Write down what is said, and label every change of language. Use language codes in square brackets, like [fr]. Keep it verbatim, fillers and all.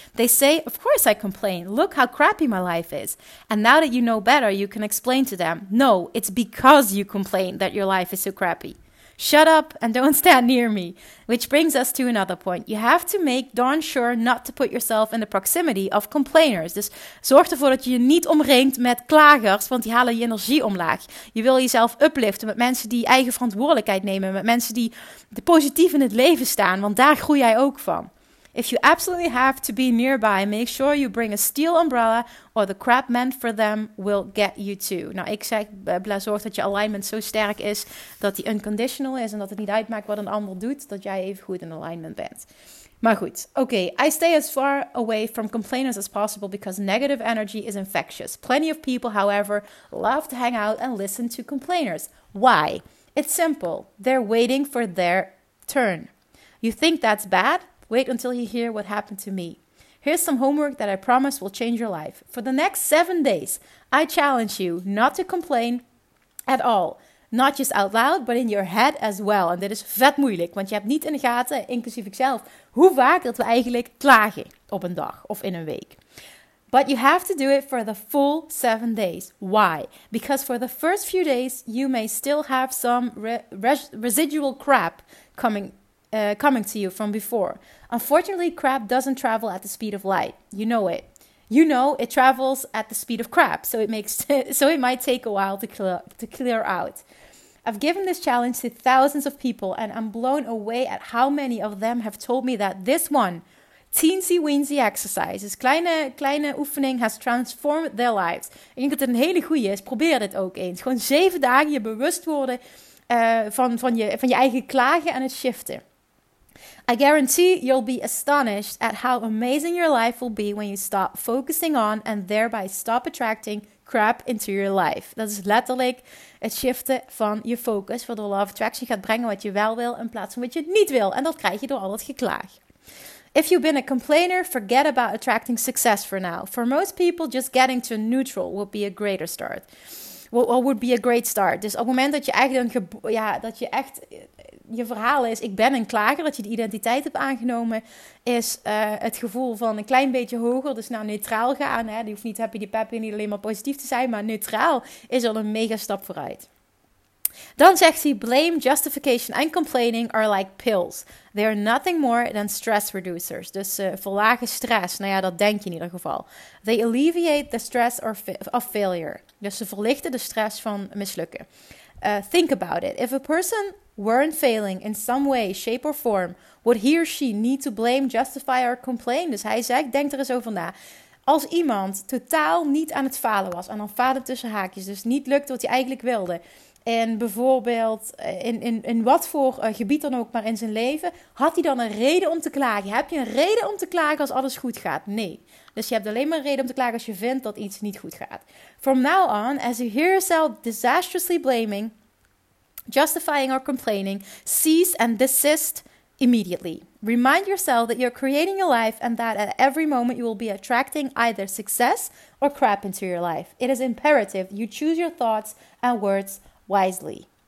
[en] They say, of course I complain. Look how crappy my life is. And now that you know better, you can explain to them, no, it's because you complain that your life is so crappy. Shut up and don't stand near me. Which brings us to another point. You have to make darn sure not to put yourself in the proximity of complainers. [nl] Dus zorg ervoor dat je je niet omringt met klagers, want die halen je energie omlaag. Je wil jezelf upliften met mensen die eigen verantwoordelijkheid nemen, met mensen die positief in het leven staan, want daar groei jij ook van. [en] If you absolutely have to be nearby, make sure you bring a steel umbrella or the crap meant for them will get you too. [nl] Nou, ik zeg, zorg dat je alignment zo sterk is dat die unconditional is en dat het niet uitmaakt wat een ander doet, dat jij even goed in alignment bent. Maar goed, oké. [en] Okay. I stay as far away from complainers as possible because negative energy is infectious. Plenty of people, however, love to hang out and listen to complainers. Why? It's simple. They're waiting for their turn. You think that's bad? Wait until you hear what happened to me. Here's some homework that I promise will change your life. For the next seven days, I challenge you not to complain at all. Not just out loud, but in your head as well. [nl] En dit is vet moeilijk, want je hebt niet in de gaten, inclusief ikzelf, hoe vaak dat we eigenlijk klagen op een dag of in een week. [en] But you have to do it for the full seven days. Why? Because for the first few days, you may still have some re- res- residual crap coming Uh, coming to you from before. Unfortunately, crap doesn't travel at the speed of light. You know it. You know it travels at the speed of crap, so it makes so it might take a while to clear, to clear out. I've given this challenge to thousands of people, and I'm blown away at how many of them have told me that this one teensy-weensy exercise, this [nl] kleine, kleine oefening, [en] has transformed their lives. [nl] Ik denk dat dit een hele goeie is. Probeer dit ook eens. Gewoon zeven dagen je bewust worden uh, van, van, je, van je eigen klagen en het shiften. [en] I guarantee you'll be astonished at how amazing your life will be when you stop focusing on and thereby stop attracting crap into your life. [nl] Dat is letterlijk het shiften van je focus, waardoor Law of Attraction gaat brengen wat je wel wil in plaats van wat je niet wil. En dat krijg je door al dat geklaag. [en] If you've been a complainer, forget about attracting success for now. For most people, just getting to neutral would be a greater start. Well, would be a great start. [nl] Dus op het moment dat je eigenlijk een gebo- ja, dat je echt je verhaal is, ik ben een klager, dat je de identiteit hebt aangenomen, is uh, het gevoel van een klein beetje hoger, dus naar neutraal gaan. Hè? Die hoeft niet happy, die peppy, niet alleen maar positief te zijn, maar neutraal is al een mega stap vooruit. Dan zegt hij, [en] blame, justification and complaining are like pills. They are nothing more than stress reducers. [nl] Dus uh, verlagen stress. Nou ja, dat denk je in ieder geval. [en] They alleviate the stress or fa- of failure. [nl] Dus ze verlichten de stress van mislukken. [en] Uh, think about it. If a person weren't failing in some way, shape or form, would he or she need to blame, justify or complain? [nl] Dus hij zegt, denk er eens over na. Als iemand totaal niet aan het falen was, en dan falen tussen haakjes, dus niet lukte wat hij eigenlijk wilde, en bijvoorbeeld in, in, in wat voor uh, gebied dan ook maar in zijn leven, had hij dan een reden om te klagen? Heb je een reden om te klagen als alles goed gaat? Nee. Dus je hebt alleen maar een reden om te klagen als je vindt dat iets niet goed gaat. [en] From now on, as you hear yourself disastrously blaming, justifying or complaining, cease and desist immediately. Remind yourself that you're creating your life and that at every moment you will be attracting either success or crap into your life. It is imperative you choose your thoughts and words wisely.